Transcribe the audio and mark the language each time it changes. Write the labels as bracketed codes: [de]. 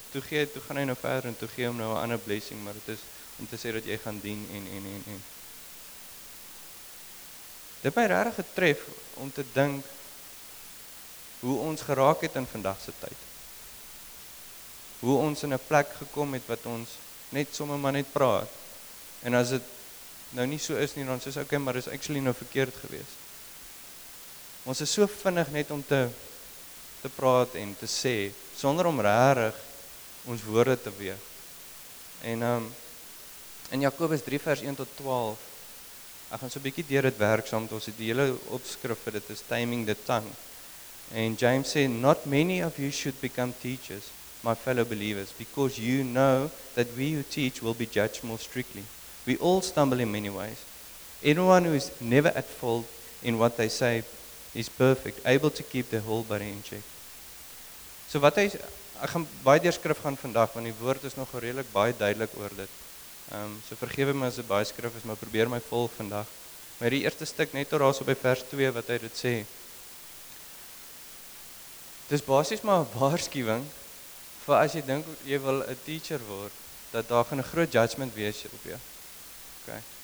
[af] Toe gaan hy nou verder en toe gee hom nou 'n ander blessing, maar dit is om te sê dat jy gaan dien en. Dit het my regtig getref om te dink, hoe ons geraak het in vandagse tyd. Hoe ons in 'n plek gekom het wat ons net sommer maar net praat. En as dit nou nie so is nie, dan soos, okay, maar is actually nou verkeerd gewees. Ons is so vinnig net om te praat en te sê, sonder om regtig ons woorde te weeg. En in Jakobus 3 vers 1 tot 12, ek gaan so 'n bietjie deur dit werk saam, ons het die hele opskrif vir dit is Taming the Tongue. [en] And James said, "Not many of you should become teachers, my fellow believers, because you know that we who teach will be judged more strictly. We all stumble in many ways. Anyone who is never at fault in what they say is perfect, able to keep the whole body in check." [af] So wat hy, ek gaan baie deur skrif gaan vandag, want die woord is nog redelik baie duidelik oor dit. So vergewe my as dit baie skrif is, maar probeer my volg vandag. Maar die eerste stuk, net oor daarso by vers 2, wat hy dit sê, dit is basies maar 'n waarskuwing vir as jy dink jy wil 'n teacher word, dat daar gaan 'n groot judgment wees op jou. Okay.